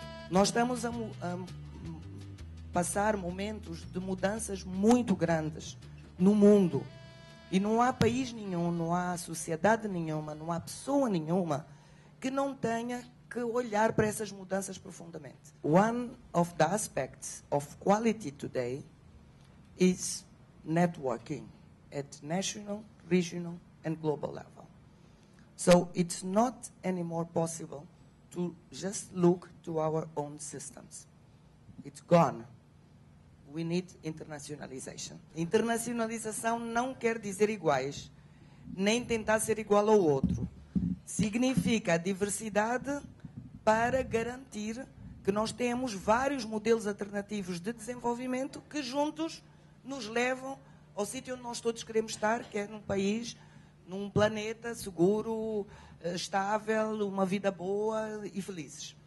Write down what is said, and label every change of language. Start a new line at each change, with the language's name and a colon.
Portuguese: Nós estamos a passar momentos de mudanças muito grandes no mundo. E não há país nenhum, não há sociedade nenhuma, não há pessoa nenhuma que não tenha que olhar para essas mudanças profundamente.
English: One of the aspects of quality today is networking at national, regional and global level. So it's not anymore possible to just look to our own systems. It's gone. We need internationalization.
Portuguese: Internacionalização não quer dizer iguais, nem tentar ser igual ao outro. Significa a diversidade para garantir que nós temos vários modelos alternativos de desenvolvimento que juntos nos levam ao sítio onde nós todos queremos estar, que é num país, num planeta seguro, estável, uma vida boa e felizes.